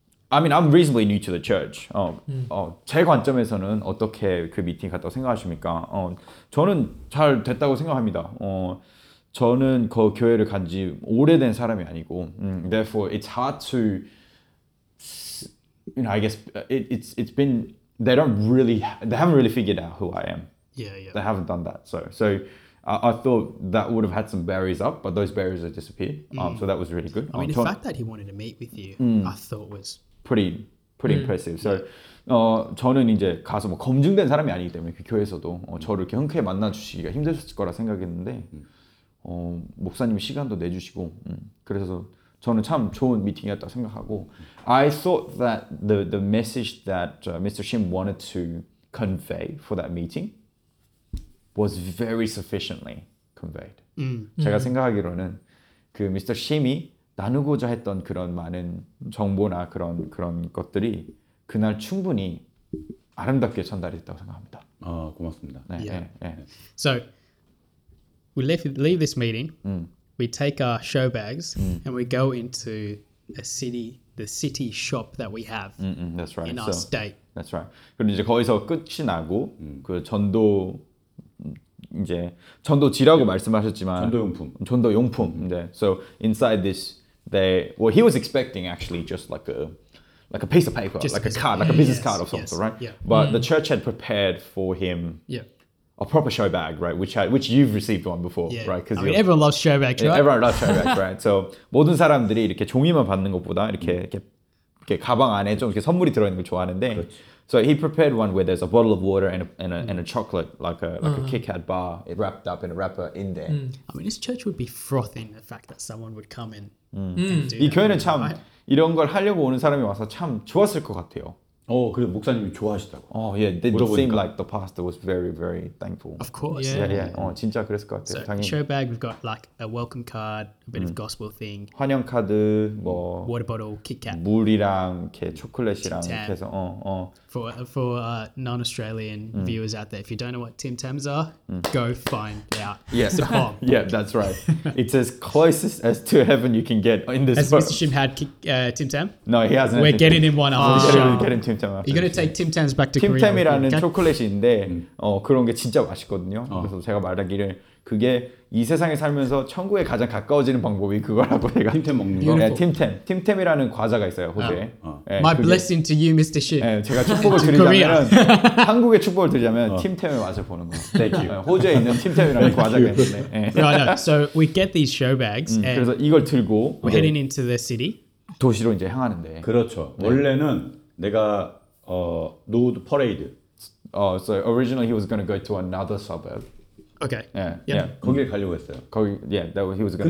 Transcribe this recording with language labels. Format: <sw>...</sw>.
<en>I'm reasonably new to the church.</en> <ko>제 관점에서는 어떻게 그 미팅 갔다고 생각하십니까? 저는 잘 됐다고 생각합니다. 저는 그 교회를 간 지 오래된 사람이 아니고,</ko> <en>therefore it's hard to, you know, I guess they haven't really figured out who I am. Yeah, yeah. They haven't done that. So. I thought that would have had some barriers up, but those barriers have disappeared. So that was really good. I mean, the fact that he wanted to meet with you, I thought was pretty impressive.</en> <ko>So, 저는 이제 가서 뭐 검증된 사람이 아니기 때문에 그 교회에서도 저를 이렇게 흔쾌히 만나주시기가 힘들었을 거라 생각했는데 목사님이 시간도 내주시고 그래서 저는 참 좋은 미팅이었다 생각하고</ko> <en>I thought that the message that Mr. Shin wanted to convey for that meeting. Was very sufficiently conveyed.</en> <ko>제가 생각하기로는 그 미스터 심이 나누고자 했던 그런 많은 정보나 그런 것들이 그날 충분히 아름답게 전달이 됐다고 생각합니다. 아 고맙습니다. 네.</ko> <en>Yeah.</en> <ko>네, 네.</ko> <en>So we leave this meeting. We take our show bags and we go into the city shop that we have. That's right. In our state. That's right.</en> <ko>그리고 이제 거기서 끝이 나고 그 전도 이제 전도지라고 말씀하셨지만 전도용품</ko> <en>이제 so inside this they well he was expecting actually just like a piece of paper just like a card like a business card or something right but the church had prepared for him a proper show bag right which you've received one before right because I mean, everyone loves show bags right everyone loves show bags right so</en> <ko>모든 사람들이 이렇게 종이만 받는 것보다 이렇게 가방 안에 좀 이렇게 선물이 들어있는 걸 좋아하는데 그렇죠.</ko> <en>So he prepared one where there's a bottle of water and a chocolate, like a Kit Kat bar, it wrapped up in a wrapper in there. I mean, this church would be frothing the fact that someone would come and do that.</en> <ko>이 교회는 참 이런 걸 하려고 오는 사람이 와서 참 좋았을 것 같아요. Oh, 그래 목사님이 좋아하시다고.</ko> <en>Oh, yeah. They seemed like the pastor was very, very thankful. Of course. Yeah, yeah. yeah.</en> <ko>어, 진짜 그랬을 것 같아요. So, 당연히.</ko> <en>Show bag, we've got like a welcome card, a bit of gospel thing.</en> <ko>환영 카드, 뭐.</ko> <en>Water bottle, Kit Kat.</en> <ko>물이랑 이렇게 초콜릿이랑 이렇게 해서, 어, 어.</ko> <en>For non-Australian viewers out there, if you don't know what Tim Tams are, go find out. Yes. yeah, that's right. It's as closest as to heaven you can get in this as world. Mr. Shim had Tim Tam? No, he hasn't. We're getting him one after the show. We're getting Tim Tam after the show. You're going to take Tim Tams back to Tim Korea.</en> <ko>Tim Tam이라는 okay? 초콜릿인데 어, 그런 게 진짜 맛있거든요. 어. 그래서 제가 말하기를 그게 이 세상에 살면서 천국에 가장 가까워지는 방법이 그거라고 제가 팀템 먹는 거. 네, 팀템. 팀템이라는 과자가 있어요, 호주에. 네,</ko> <en>My 그게, blessing to you, Mr. Shin.</en> <ko>네, 제가 축복을 드리자면 한국의 축복을 드리자면 팀템의 맛을 보는 거. 네, 네, 호주에 있는 팀템이라는 과자가 있는데.</ko> <en>네. Right, no. So we get these show bags. And</en> <ko>그래서 이걸 들고</ko> <en>we're heading into the city.</en> <ko>도시로 이제 향하는데. 그렇죠. 네. 원래는 내가 어 노드 퍼레이드.</ko> <en>So originally he was going to go to another suburb. Okay. Yeah. Yeah. yeah.</en> <ko>거기에 가려고 했어요.</ko> <en>거기 yeah, that was, he was going.</en>